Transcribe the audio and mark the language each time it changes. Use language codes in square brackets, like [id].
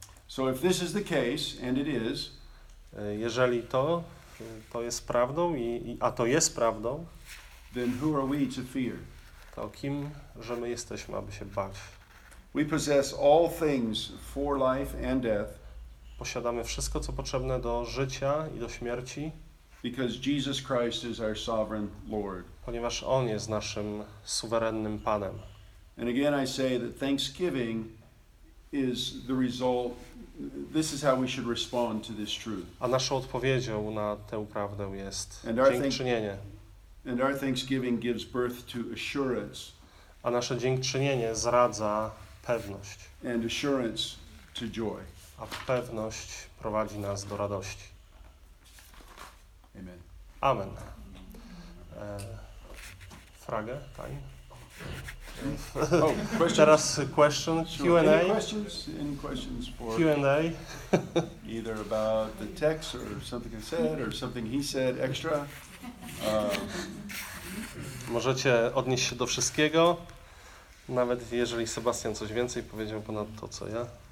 [en] So if this is the case, and it is, [pl] jeżeli to jest prawdą, a to jest prawdą, [en] then who are we to fear? [pl] To kim, że my jesteśmy, aby się bać? [en] We possess all things for life and death. [pl] Posiadamy wszystko, co potrzebne do życia i do śmierci. [en] Because Jesus Christ is our sovereign Lord. [pl] Ponieważ On jest naszym suwerennym Panem. [en] And again I say that thanksgiving is the result. This is how we should respond to this truth. [pl] A naszą odpowiedzią na tę prawdę jest dziękczynienie. [en] And our thanksgiving gives birth to assurance. [pl] A nasze dziękczynienie zradza pewność. [en] And assurance to joy. [pl] A pewność prowadzi nas do radości. Amen. Amen. Frage, pani? Oh, teraz [en] question, sure. Q&A. Any questions for Q&A. Either about the text or something I said or something he said extra. [pl] Możecie odnieść się do wszystkiego, nawet jeżeli Sebastian coś więcej powiedział ponad to, co ja.